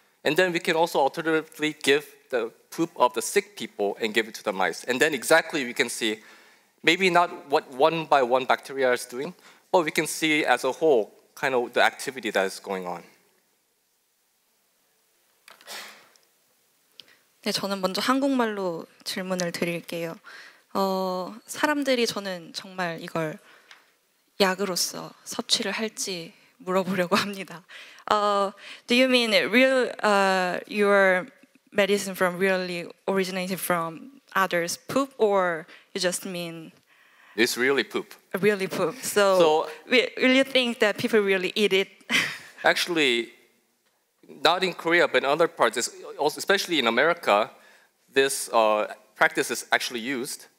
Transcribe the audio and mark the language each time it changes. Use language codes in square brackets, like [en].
[en] And then we can also alternatively give the poop of the sick people and give it to the mice. And then exactly we can see maybe not what one by one bacteria is doing, but we can see as a whole kind of the activity that is going on. [ko] 네, 저는 먼저 한국말로 질문을 드릴게요. 사람들이 저는 정말 이걸 약으로서 섭취를 할지 물어보려고 합니다. [en] Do you mean real your medicine from really originated from others' poop, or you just mean it's really poop? Really poop. So will you think that people really eat it? Actually, not in Korea, but in other parts, especially in America, this practice is actually used.